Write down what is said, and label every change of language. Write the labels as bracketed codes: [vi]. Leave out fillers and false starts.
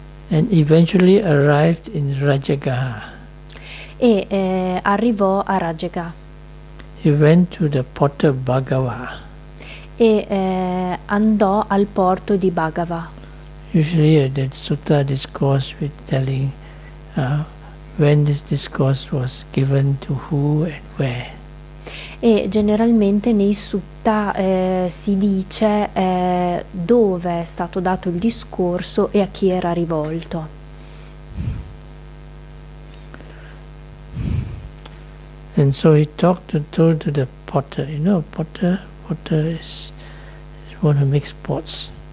[en] And eventually arrived in Rajagaha. [it] E arrivò a Rajagaha. [en] He went to the port of Bhagava. [it] E andò al porto di Bhagava. [en] Usually the sutta discourse with telling when this discourse was given to who and where. [it] E generalmente nei sutta si dice dove è stato dato il discorso e a chi era rivolto. [en] And so he told to the potter, you know, potter is one who makes pots.